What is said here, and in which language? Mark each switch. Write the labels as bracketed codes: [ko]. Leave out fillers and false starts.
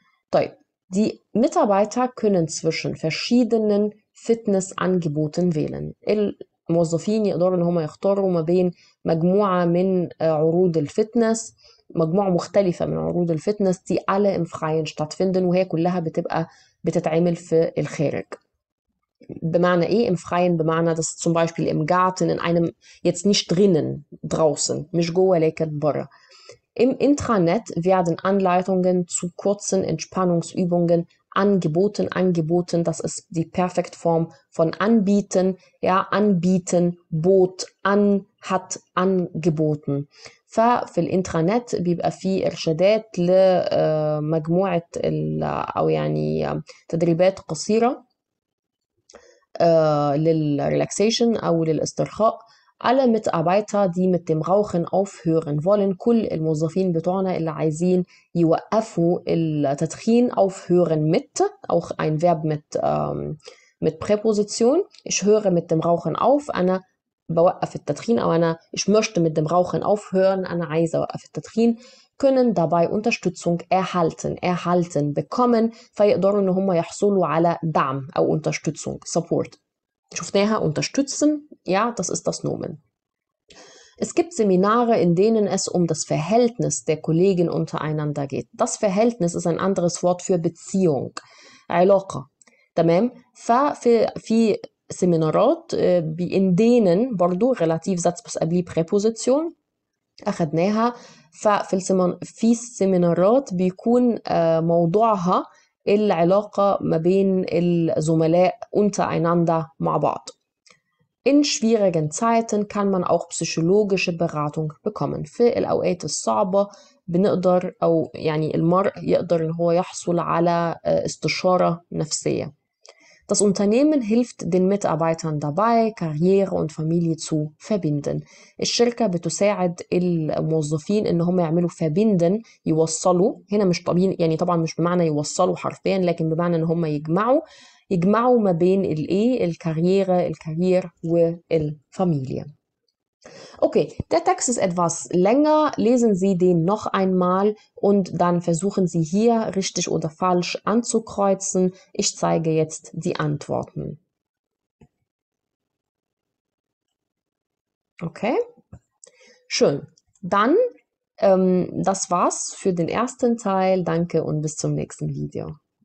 [de] طيب، دي Mitarbeiter können zwischen verschiedenen Fitness Angeboten wählen. [ar] الموظفين يقدروا ان هم يختاروا ما بين مجموعة من عروض الفتنس، مجموعة مختلفة من عروض الفتنس دي على [de] im Freien stattfinden، [ar] وهي كلها بتبقى بتتعمل في الخارج. بمعنى ايه [de] im Freien؟ بمعنى das zum Beispiel im Garten in einem jetzt nicht drinnen draußen، [ar] مش جوه لكن بره. [de] Im Intranet werden Anleitungen zu kurzen Entspannungsübungen angeboten. Das ist die Perfektform von anbieten. Ja, anbieten, bot, an, hat, angeboten. [ar] ففي الانترنت بيبقى فيه إرشادات لمجموعة أو يعني تدريبات قصيرة للريلاكسيشن أو للاسترخاء. [de] Alle Mitarbeiter, die mit dem Rauchen aufhören wollen, [ar] كل الموظفين بتوعنا اللي عايزين يوقفوا التدخين [de] aufhören mit, auch ein Verb mit Präposition. Ich höre mit dem Rauchen auf, [ar] أنا بوقف التدخين, [de] أو أنا ich möchte mit dem Rauchen aufhören, [ar] أنا عايز أوقف التدخين, [de] können dabei Unterstützung erhalten, bekommen, [ar] فيقدروا إن هم يحصلوا على دعم أو [de] Unterstützung, Support. شفناها unterstützen, ja, das ist das Nomen. Es gibt Seminare, in denen es um das Verhältnis der Kollegen untereinander geht. Das Verhältnis ist ein anderes Wort für Beziehung. [ar] علاقه. تمام؟ ففي سيمينارات [de] in denen [ar] برضو Relativsatz بس قبل Präposition اخذناها. ففي في سيمينارات بيكون موضوعها العلاقة ما بين الزملاء untereinander مع بعض. [de] In schwierigen Zeiten kann man auch psychologische Beratung bekommen. [ar] في الأوقات الصعبة بنقدر أو يعني المرء يقدر إن هو يحصل على استشارة نفسية. [de] Das Unternehmen hilft den Mitarbeitern dabei, Karriere und Familie zu verbinden. [ar] الشركة بتساعد الموظفين إن هم يعملوا verbinden, يوصلوا. هنا مش طبيعي يعني طبعا مش بمعنى يوصلوا حرفيا, لكن بمعنى إن هم يجمعوا ما بين الإيه, الكاريرة, الكارير والفاميليا. [de] Okay, der Text ist etwas länger. Lesen Sie den noch einmal und dann versuchen Sie hier richtig oder falsch anzukreuzen. Ich zeige jetzt die Antworten. Okay, schön. Dann, das war's für den ersten Teil. Danke und bis zum nächsten Video.